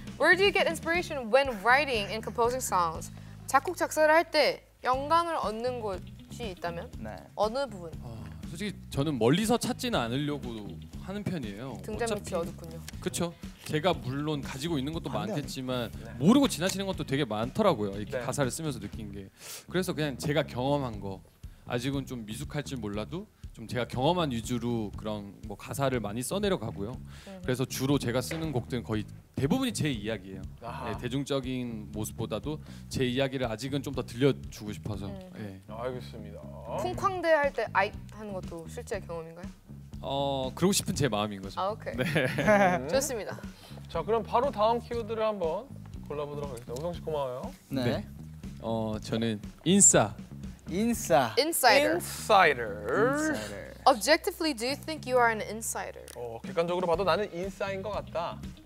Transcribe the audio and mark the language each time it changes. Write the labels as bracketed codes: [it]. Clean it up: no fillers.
[en] Where do you get inspiration when writing and composing songs? [ko] 작곡, 작사를 할 때 영감을 얻는 곳이 있다면? 네. 어느 부분? 솔직히 저는 멀리서 찾지는 않으려고 하는 편이에요. 등잔 밑이 어둡군요. 그렇죠. 제가 물론 가지고 있는 것도 많겠지만 네. 모르고 지나치는 것도 되게 많더라고요. 이렇게 네. 가사를 쓰면서 느낀 게. 그래서 그냥 제가 경험한 거 아직은 좀 미숙할지 몰라도 좀 제가 경험한 위주로 그런 뭐 가사를 많이 써내려가고요. 그래서 주로 제가 쓰는 곡들은 거의 대부분이 제 이야기예요. 네, 대중적인 모습보다도 제 이야기를 아직은 좀 더 들려주고 싶어서. 네. 알겠습니다. 쿵쾅대할 때 아이 하는 것도 실제 경험인가요? 그러고 싶은 제 마음인 거죠. 아, 오케이. 네. 좋습니다. 자, 그럼 바로 다음 키워드를 한번 골라보도록 하겠습니다. 우성 씨 고마워요. 네. 네. 저는 인싸. 인싸. [en] Insider. Insider. Insider. Objectively, do you think you are an insider? [ko] 객관적으로 봐도 나는 인싸인 것 같다.